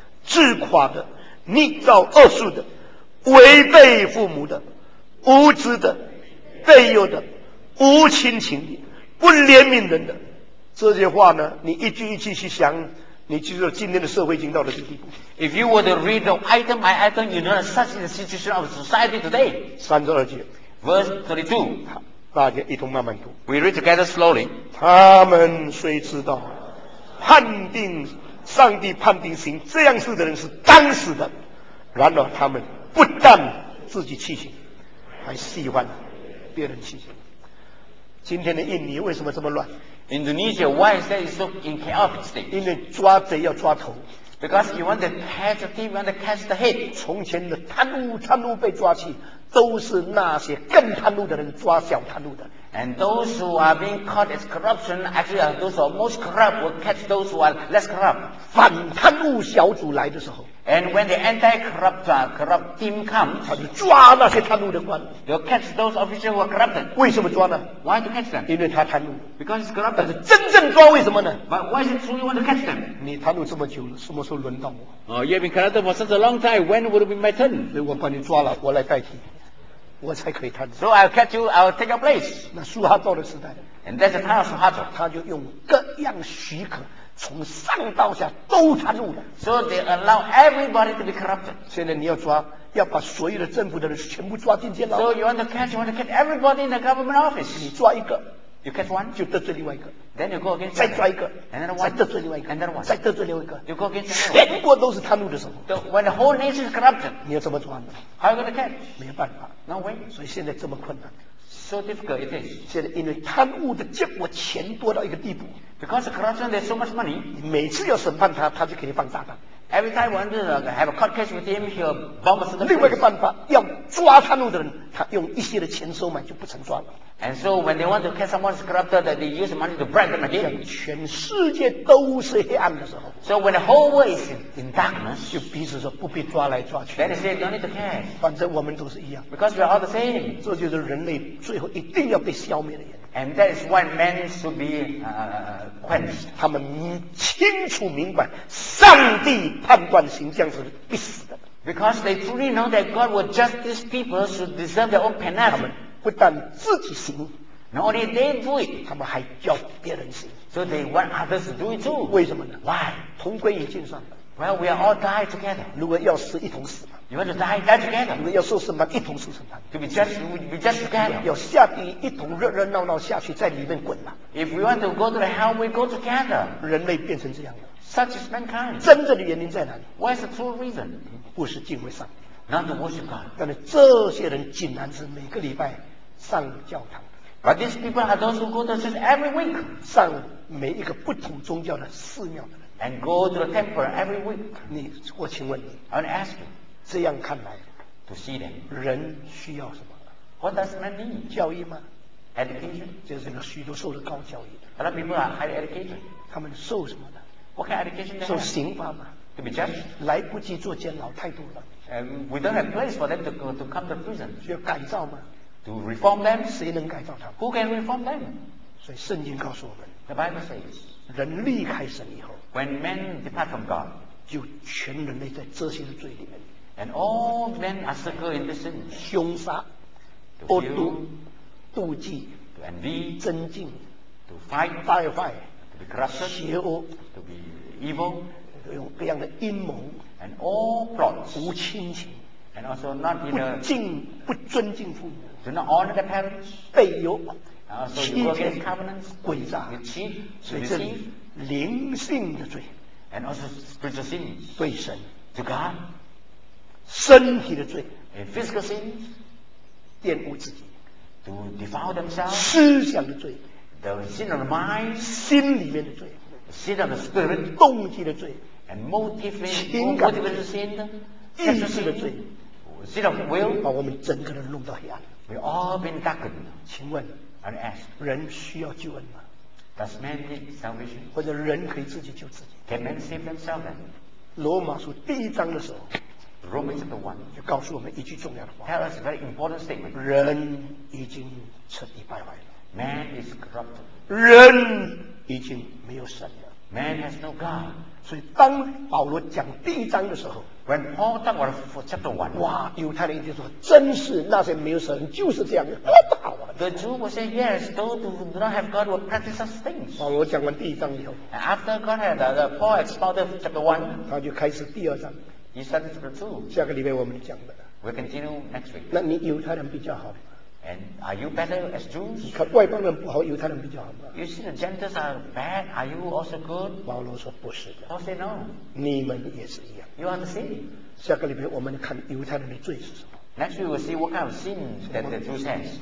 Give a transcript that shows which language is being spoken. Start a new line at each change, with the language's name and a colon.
Chinese: 自夸的逆造恶术的违背父母的无知的背诱的无亲情的不怜悯人的这些话呢你一句一句去想你记住今天的社会已经到了这个地步
English: If you were to read the item by item you know such is the situation of society today
Chinese: 32节
English: Verse 32
Chinese: 大家一同慢慢读
English: We read together slowly
Chinese: 他们虽知道判定上帝判定行这样事的人是当死的然而他们不但自己弃行还喜欢别人弃行今天的印尼为什么这么乱
English: Indonesia why is that so in chaotic state
Chinese: 因为抓贼要抓头
English: because you want to catch the thief and catch the head
Chinese: 从前的贪污贪污被抓去都是那些更贪污的人抓小贪污的
English: And those who are being caught as corruption, actually are those who are most corrupt will catch those who are less corrupt.
Chinese: 反贪污小组来的时候
English: And when the anti-corrupt corrupt team comes,
Chinese: 他就抓那些贪污的官。
English: They'll catch those officials who are corrupted.
Chinese: 为什么抓呢
English: ？Why to catch them?
Chinese: 因为他贪污。
English: Because he's corrupt.
Chinese: 但是真正抓为什么呢
English: ？But why is it true you want to catch them?
Chinese: 你贪污这么久，什么时候轮到我
English: ？Oh, you've been corrupted for such a long time. When would it be my turn?
Chinese: 所以我把你抓了，我来代替，我才可以贪。
English: So I'll catch you. I'll take your place.
Chinese: 那苏哈多的时代
English: ，And that's the time of 苏哈多。
Chinese: 他就用各样许可。从上到下都贪污的
English: ，so they allow everybody to be corrupted。
Chinese: 现在你要抓，要把所有的政府的人全部抓进监牢。
English: So you want to catch, you want to catch everybody in the government office。
Chinese: 你抓一个
English: ，you catch one，
Chinese: 就得罪另外一个。
English: Then you go against，
Chinese: 再抓一个
English: ，and then one，
Chinese: 再得罪另外一个
English: ，and then one，
Chinese: 再得罪另外一个。
English: You go against，
Chinese: 全国都是贪污的时候
English: ，so when the whole nation is corrupted，
Chinese: 你要怎么抓呢
English: ？How are you going to catch？
Chinese: 没有办法
English: ，no way。
Chinese: 所以现在这么困难。
English: So difficult it is.
Chinese: 现在因为贪污的结果，钱多到一个地步。
English: Because corruption, there's so much money.
Chinese: 每次要审判他，他就给你放炸弹。
English: Every time when they have a court case with him, he'll bomb us.
Chinese: 另外一个办法，要抓贪污的人，他用一些的钱收买，就不成抓了。
English: And so when they want to catch someone's corrupt, they use money to bribe them again.
Chinese: 全世界都是黑暗的时候。
English: So when the whole world is in darkness,
Chinese: 就彼此说不必抓来抓去。
English: Then they say don't need to care.
Chinese: 反正我们都是一样。
English: Because we're all the same.
Chinese: 这就是人类最后一定要被消灭的原因。
English: And that is why men should be quenched.
Chinese: 他们清楚明白，上帝判断行将是必死的。
English: Because they truly know that God will judge these people who deserve their own penalty.
Chinese: 他们不但自己行
English: ，Not only they do it，
Chinese: 他们还叫别人行。
English: So they want others to do it too.
Chinese: 为什么呢
English: ？Why？
Chinese: 同归于尽算了。
English: Well, we are all die together.
Chinese: 如果要死，一同死。
English: You want to die, die together.
Chinese: 你们要受审判，一同受审判。
English: To be judged, be judged together.
Chinese: 要下地狱，一同热热闹闹下去，在里面滚了。
English: If we want to go to the hell, we go together.
Chinese: 人类变成这样了。
English: Such is mankind.
Chinese: 真正的原因在哪里
English: ？What is the true reason?
Chinese: 不是敬畏上帝。
English: Not to worship God.
Chinese: 但是这些人竟然是每个礼拜上教堂。
English: But these people are those who go to church every week.
Chinese: 上每一个不同宗教的寺庙的人。
English: And go to the temple every week.
Chinese: 你，我请问你。
English: I want to ask you.
Chinese: 这样看来
English: to see them.
Chinese: 人需要什么
English: What does man need?
Chinese: 教育吗
English: Education
Chinese: 就是许多受了高教育的
English: A lot of people are highly educated
Chinese: 他们受什么的
English: What kind of education they
Chinese: 受刑罚吗
English: To be judged
Chinese: 来不及做监牢太多了
English: And we don't have place for them to come to prison
Chinese: 需要改造吗
English: To reform them
Chinese: 谁能改造他
English: Who can reform them
Chinese: 所以圣经告诉我们
English: The Bible says
Chinese: 人离开神以后
English: When men depart from God
Chinese: 就全人类在这些的罪里面
English: And all men are circled in the sin.
Chinese: 凶杀
English: to kill,
Chinese: 妒忌
English: to envy,
Chinese: 增进
English: to fight, firefight, to be corrupted,
Chinese: 邪恶
English: to be evil,
Chinese: 用各样的阴谋
English: and all plots,
Chinese: 无亲情
English: and also not in a,
Chinese: 不尊敬父母
English: do not honor the parents,
Chinese: 背诱
English: also you go against covenants,
Chinese: 诡诈
English: you cheat, you deceive,
Chinese: 灵性的罪
English: and also spiritual sins,
Chinese: 对神
English: to God,
Chinese: 身体的罪
English: and physical sins
Chinese: 玷污自己
English: to defile themselves
Chinese: 思想的罪
English: the sin of the mind
Chinese: 心里面的罪
English: the sin of the spirit
Chinese: 动机的罪
English: and motive
Chinese: 情感的罪
English: motive sin
Chinese: 意识的罪
English: sin of will
Chinese: 把我们整个人弄到黑暗
English: we all been darkened
Chinese: 请问
English: and ask
Chinese: 人需要救恩吗
English: does man need salvation
Chinese: 或者人可以自己救自己
English: can man save themselves
Chinese: 罗马书第一章的时候
English: Romans chapter one
Chinese: 就告诉我们一句重要的话。
English: Tell us a very important statement.
Chinese: 人已经彻底败坏了。
English: Man is corrupted.
Chinese: 人已经没有神了。
English: Man has no God.
Chinese: 所以当保罗讲第一章的时候
English: ，When Paul talked about chapter one，
Chinese: 哇，犹太人就说：“真是那些没有神就是这样的，太好了。
English: ”The Jew was saying, "Yes, those who do not have God will practice such things."
Chinese: 保罗讲完第一章以后
English: ，After God had the Paul expounded chapter one，
Chinese: 他就开始第二章。
English: He said it's true.
Chinese: 下个礼拜我们讲的。
English: We'll continue next week.
Chinese: 那你犹太人比较好。
English: And are you better as Jews?
Chinese: 你看外邦人不好，犹太人比较好吗
English: ？You see the Gentiles are bad. Are you also good?
Chinese: 保罗说不是的。
English: Paul said no.
Chinese: 你们也是一样。
English: You are the same.
Chinese: 下个礼拜我们看犹太人的罪是什么。
English: Next week we'll see what kind of sins that the Jews have.